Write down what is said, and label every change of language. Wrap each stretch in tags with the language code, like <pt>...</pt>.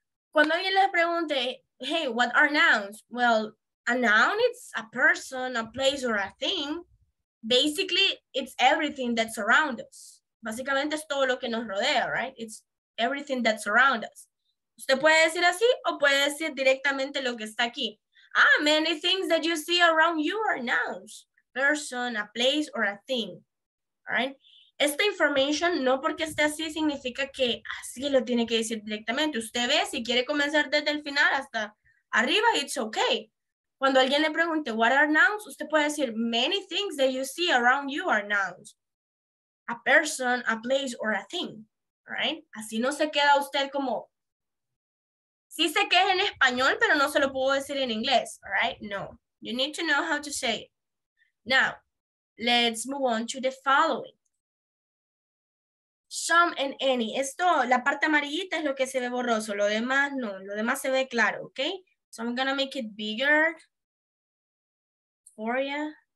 <es>Cuando alguien les pregunte, hey,</es> <en>what are nouns? Well, a noun is a person, a place, or a thing. Basically, it's everything that surrounds us.</en> <es>Básicamente es todo lo que nos rodea,</es> <en>right? It's everything that surrounds us.</en> <es>Usted puede decir así o puede decir directamente lo que está aquí.</es> <en>Ah, many things that you see around you are nouns. Person, a place, or a thing. All right?</en> <es>Esta information, no porque esté así, significa que así lo tiene que decir directamente. Usted ve, si quiere comenzar desde el final hasta arriba,</es> <en>it's okay.</en> <es>Cuando alguien le pregunte,</es> <en>what are nouns?</en> <es>Usted puede decir,</es> <en>many things that you see around you are nouns. A person, a place, or a thing. All right?</en> <es>Así no se queda usted como... Sí sé que es en español, pero no se lo puedo decir en inglés, all right?</es> <en>No, you need to know how to say it. Now, let's move on to the following. Some and any.</en> <es>Esto, la parte amarillita es lo que se ve borroso. Lo demás no, lo demás se ve claro, okay?</es> <en>So I'm gonna make it bigger for you.</en>